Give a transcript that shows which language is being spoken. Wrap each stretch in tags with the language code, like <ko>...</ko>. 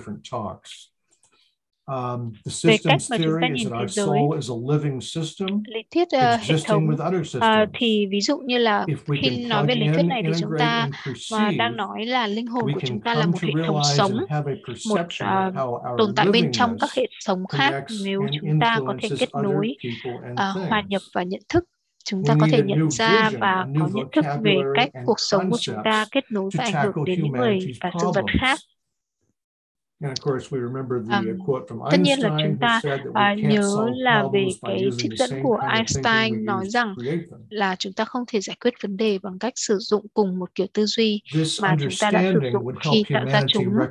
<en>The systems theory is that our soul is a living system existing with other systems.</en> <vi>Thì ví dụ như là khi nói về lý thuyết này thì chúng ta đang nói là linh hồn của chúng ta là một hệ thống sống, một tồn tại bên trong các hệ sống khác. Nếu chúng ta có thể kết nối, hòa nhập và nhận thức, chúng ta có thể nhận ra và có nhận thức về cách cuộc sống của chúng ta kết nối và ảnh hưởng đến những người và sự vật khác.</vi> <en>And of course, we remember the quote from</en> <vi>tất</vi> <en>Einstein,</en> <vi>nhiên là chúng ta nhớ là về cái trích dẫn của Einstein nói rằng là chúng ta không thể giải quyết vấn đề bằng cách sử dụng cùng một kiểu tư duy mà chúng ta đã sử dụng khi tạo ra chúng.</vi>